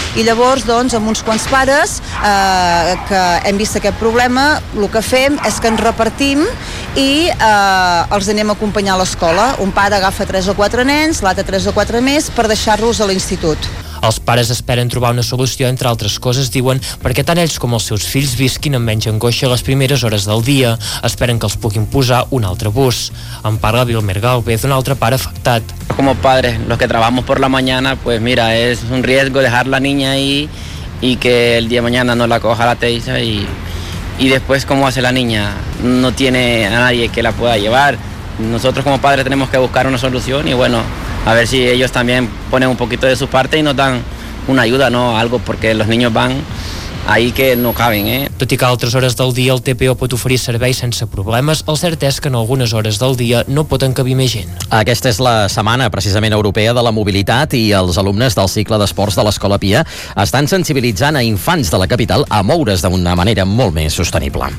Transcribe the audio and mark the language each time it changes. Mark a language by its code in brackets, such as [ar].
[ca] I llavors, doncs, amb uns quants pares que hem vist aquest problema, el que fem és que ens repartim i els anem a acompanyar a l'escola. Un pare agafa 3 o 4 nens, l'altre 3 o 4 més, per deixar-los a l'institut. Els pares esperen trobar una solució, entre altres coses, diuen, perquè tant ells com els seus fills visquin amb menys angoixa les primeres hores del dia. Esperen que els puguin posar un altre bus. En parla Vilmer Galvez, un altre pare afectat. [es] Como padres, los que trabajamos por la mañana, pues mira, es un riesgo dejar la niña ahí y que el día de mañana no la coja la Teisa y después, ¿cómo hace la niña? No tiene a nadie que la pueda llevar. Nosotros como padres tenemos que buscar una solución y bueno, a ver si ellos también ponen un poquito de su parte y nos dan una ayuda, ¿no? Algo, porque los niños van ahí que no caben, ¿eh? [ca] Tot i que a altres hores del dia el TPO pot oferir servei sense problemes, el cert és que en algunes hores del dia no pot encabir més gent. Aquesta és la setmana precisament europea de la mobilitat i els alumnes del cicle d'esports de l'Escola Pia estan sensibilitzant a infants de la capital a moure's d'una manera molt més sostenible.